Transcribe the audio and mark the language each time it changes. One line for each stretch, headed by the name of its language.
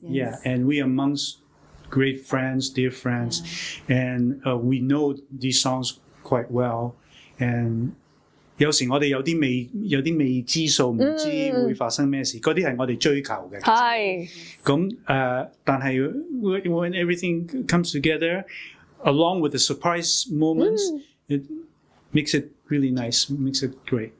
English: yeah, and we amongst great friends, dear friends,and we know these songs quite well and。
Cantonese: 有時我哋有啲未知數，唔知道會發生咩事，嗰啲係我哋追求嘅。係。咁但係
English: when everything comes together, along with the surprise moments,it makes it really nice, makes it great.